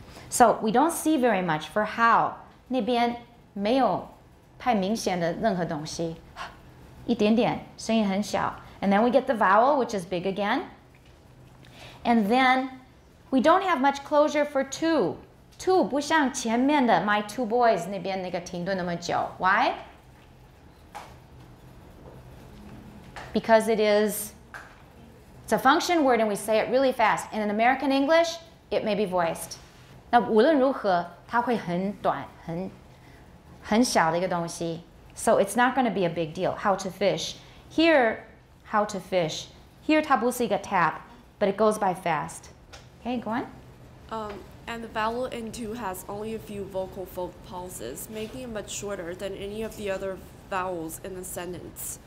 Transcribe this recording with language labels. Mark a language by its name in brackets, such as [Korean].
[English] So, we don't see very much for how. [Chinese] 那边没有太明显的任何东西。一点点声音很小。 [English] And then we get the vowel, which is big again. And then we don't have much closure for two. [Chinese] Two 不像前面的 [English] my two boys [Chinese] 那边那个停顿那么久。 [English] Why? Because it is, it's a function word and we say it really fast. And in American English, it may be voiced. [Chinese] 那无论如何它会很短很小的一个东西。 [English] So it's not going to be a big deal. How to fish. Here, how to fish. Here [Chinese] 它不是一个 [English] tap, but it goes by fast. Okay, go on. And the vowel in two has only a few vocal pulses, making it much shorter than any of the other vowels in the sentence.